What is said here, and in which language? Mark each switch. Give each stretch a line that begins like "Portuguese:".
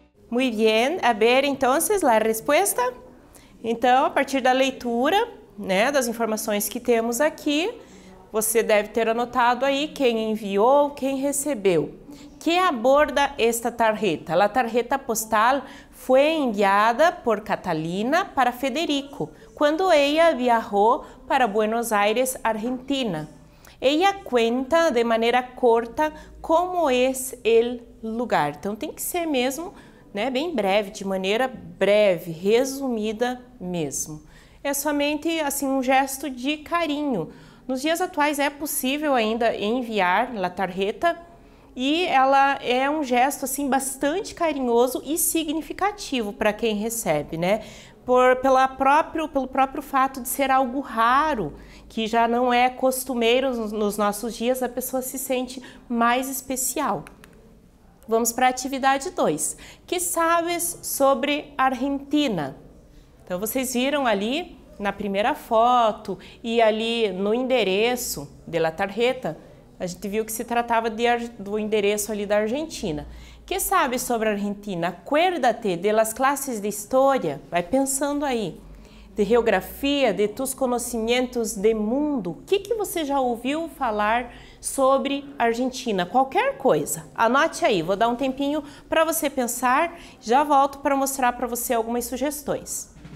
Spanish: Muy bien, a ver entonces la respuesta.
Portuguese: Então, a partir da leitura, né, das informações que temos aqui, você deve ter anotado aí quem enviou, quem recebeu.
Spanish: ¿Qué aborda esta tarjeta? La tarjeta postal fue enviada por Catalina para Federico, cuando ella viajó para Buenos Aires, Argentina. Ella cuenta de manera corta cómo es el lugar.
Portuguese: Então, tem que ser mesmo, né, bem breve, de maneira breve, resumida mesmo. É somente assim um gesto de carinho. Nos dias atuais é possível ainda enviar
Spanish: la tarjeta
Portuguese: e ela é um gesto assim bastante carinhoso e significativo para quem recebe, né? Pelo próprio fato de ser algo raro, que já não é costumeiro nos nossos dias, a pessoa se sente mais especial. Vamos para a atividade 2.
Spanish: Que sabes sobre Argentina?
Portuguese: Então, vocês viram ali na primeira foto e ali no endereço
Spanish: de la tarjeta,
Portuguese: a gente viu que se tratava do endereço ali da Argentina.
Spanish: Que sabes sobre Argentina? Acuérdate de las clases de história,
Portuguese: vai pensando aí,
Spanish: de geografia, de tus conocimientos de mundo.
Portuguese: O que você já ouviu falar sobre Argentina? Qualquer coisa. Anote aí, vou dar um tempinho para você pensar. Já volto para mostrar para você algumas sugestões.